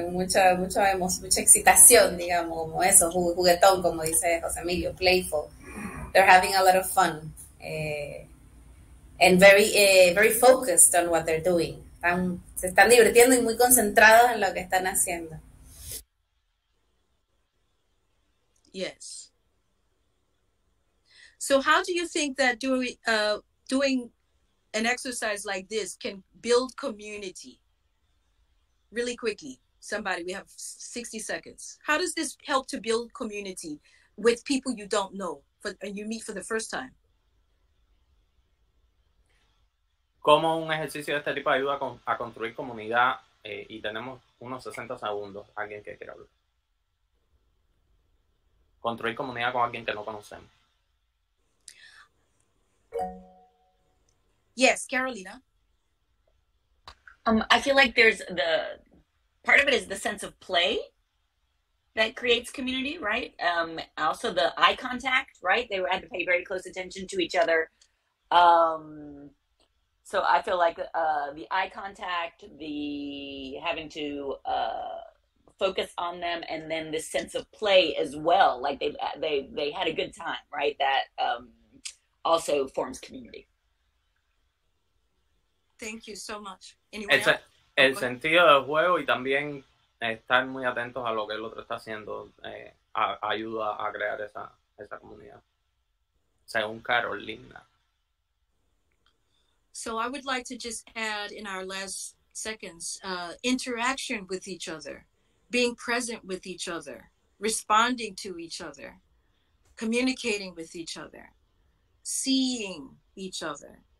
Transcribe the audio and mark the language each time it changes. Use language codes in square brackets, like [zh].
[es] Mucha excitación, digamos, como eso, juguetón, como dice José Emilio, playful. [en] They're having a lot of fun. And very, very focused on what they're doing. [es] Se están divirtiendo y muy concentrados en lo que están haciendo. [en] Yes. So how do you think that doing an exercise like this can build community? Really quickly, somebody, we have 60 seconds. How does this help to build community with people you don't know and you meet for the first time? [es] Como un ejercicio de este tipo ayuda a construir comunidad y tenemos unos 60 segundos, alguien que quiera hablar. Construir comunidad con alguien que no conocemos. [en] Yes, Carolina. I feel like there's the part of it is the sense of play that creates community, right? Also the eye contact, right? They had to pay very close attention to each other. So I feel like the eye contact, the having to focus on them, and then this sense of play as well, like they had a good time, right? That also forms community. Thank you so much. [es] El sentido del juego y también estar muy atentos a lo que el otro está haciendo ayuda a crear esa comunidad. Según Carolina. [en] So I would like to just add in our last seconds, interaction with each other, being present with each other, responding to each other, communicating with each other, seeing each other.